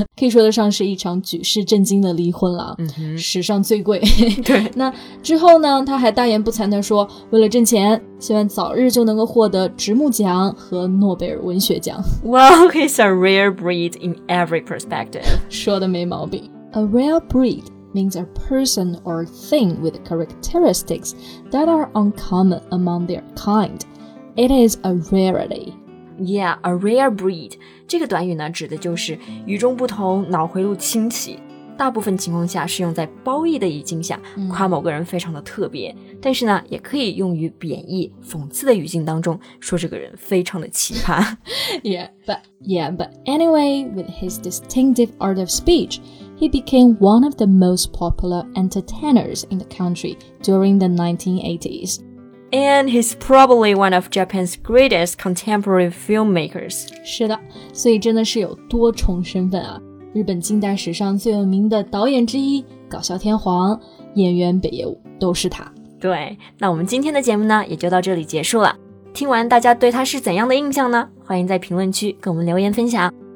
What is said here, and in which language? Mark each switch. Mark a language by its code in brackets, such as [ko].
[zh] 可以说得上是一场举世震惊的离婚了、 mm-hmm. 史上最贵。对。那之后呢他还大言不惭地说为了挣钱希望早日就能够获得直木奖和诺贝尔文学奖。 [en] Well, he's a rare breed in every perspective. [zh] 说的没毛病。 [en] A rare breed means a person or thing with characteristics that are uncommon among their kind. It is a rarity. Yeah, a rare breed. [zh] 这个短语呢指的就是与众不同脑回路清奇。大部分情况下是用在褒义的语境下夸某个人非常的特别。但是呢也可以用于贬义讽刺的语境当中说这个人非常的奇葩。 [en] yeah, but anyway, with his distinctive art of speech, he became one of the most popular entertainers in the country during the 1980s. And he's probably one of Japan's greatest contemporary filmmakers. [zh] 是的，所以真的是有多重身份啊！日本近代史上最有名的导演之一，搞笑天皇，演员北野武，都是他。对，那我们今天的节目呢，也就到这里结束了。听完大家对他是怎样的印象呢？欢迎在评论区跟我们留言分享。